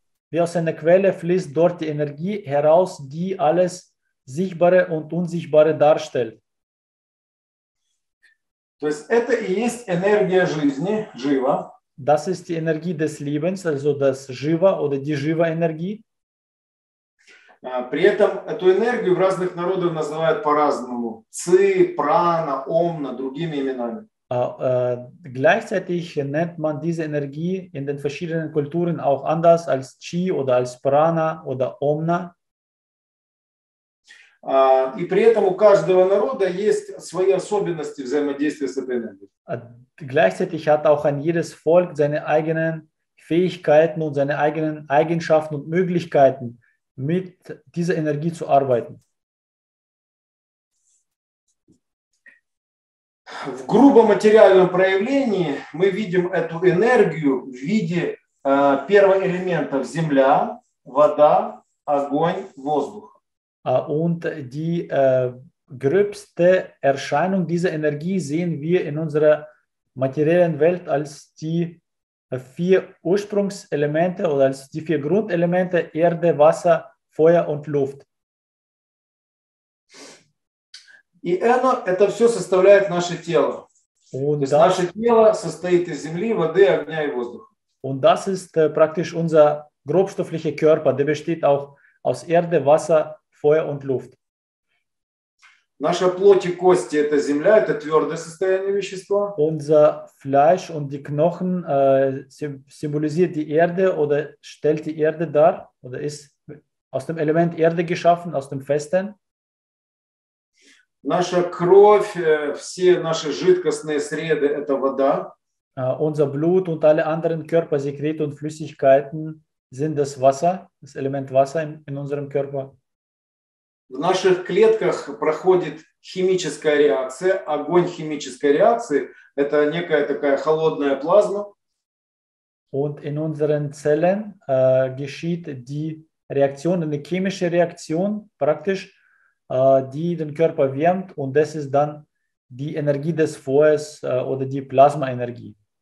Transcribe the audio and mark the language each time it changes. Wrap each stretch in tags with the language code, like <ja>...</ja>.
<de>Wie aus einer Quelle fließt dort die Energie heraus, die alles Sichtbare und Unsichtbare darstellt.</de> <ru>То есть это и есть энергия жизни, жива.</ru> <de>Das ist die Energie des Lebens, also das Jiva oder die Jiva-Energie.</de> <ru>При этом эту энергию в разных народах называют по-разному. Ци, прана, омна, другими именами.</ru> <de>Gleichzeitig nennt man diese Energie in den verschiedenen Kulturen auch anders als Chi oder als Prana oder Omna.</de> <ru>И при этом у каждого народа есть свои особенности взаимодействия с этой энергией.</ru> <de>Gleichzeitig hat auch ein jedes Volk seine eigenen Fähigkeiten und seine eigenen Eigenschaften und Möglichkeiten, mit dieser Energie zu arbeiten.</de> <ru>В грубо материальном проявлении мы видим эту энергию в виде первых элементов земля, вода, огонь, воздух.</ru> <de>Und die gröbste Erscheinung dieser Energie sehen wir in unserer materiellen Welt als die vier Ursprungselemente oder als die vier Grundelemente Erde, Wasser, Feuer und Luft.</de> <ru>И это все составляет наше тело.</ru> <de>Und das,</de> <ru>наше тело состоит из земли, воды, огня и воздуха.</ru> <de>Und das ist praktisch unser grobstofflicher Körper. Der besteht auch aus Erde, Wasser, Feuer und Luft.</de> <ru>Наша плоть и кости – это земля, это твердое состояние вещества.</ru> <de>Unser Fleisch und die Knochen symbolisiert die Erde oder stellt die Erde dar oder ist aus dem Element Erde geschaffen, aus dem Festen.</de> <ru>Наша кровь, все наши жидкостные среды – это вода.</ru> <de>Unser Blut und alle anderen Körpersekrete und Flüssigkeiten sind das Wasser, das Element Wasser in unserem Körper.</de> <ru>В наших клетках проходит химическая реакция, огонь химической реакции – это некая такая холодная плазма.</ru> <de>Und in unseren Zellen geschieht die Reaktion, eine chemische Reaktion praktisch, die den Körper wärmt, und das ist dann die Energie des Feuers oder die Plasmaenergie.</de>